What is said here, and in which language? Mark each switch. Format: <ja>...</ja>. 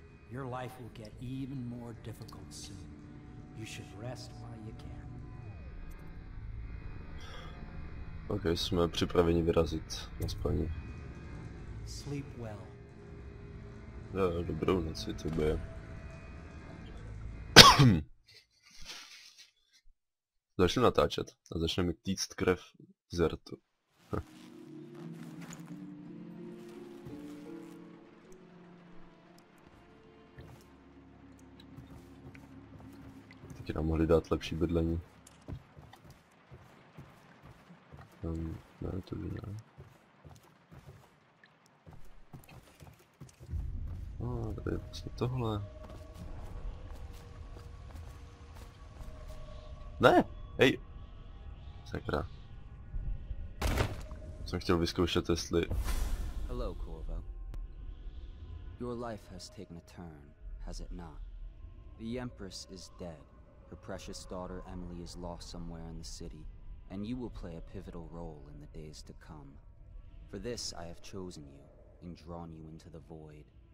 <en>Your life will get even more difficult soon. You should rest while you can.</en> <cs>Okay, jsme připraveni vyrazit na spaní.</cs> <en>Sleep well.</en> <cs>Jo, dobrou noci tobě. Začnu natáčet a začneme týct krev z rtu. Nám mohli dát lepší bydlení. Ne, to by ne. A, tady je vlastně tohle. Ne! Hej! Sakra. Jsem chtěl vyzkoušet, jestli...</cs> <en>Hello, Corvo. Your life has taken a turn, has it not? The Empress is dead. Her precious daughter Emily is lost somewhere in the city, and you will play a pivotal role in the days to come. For this, I have chosen you and drawn you into the void.</en>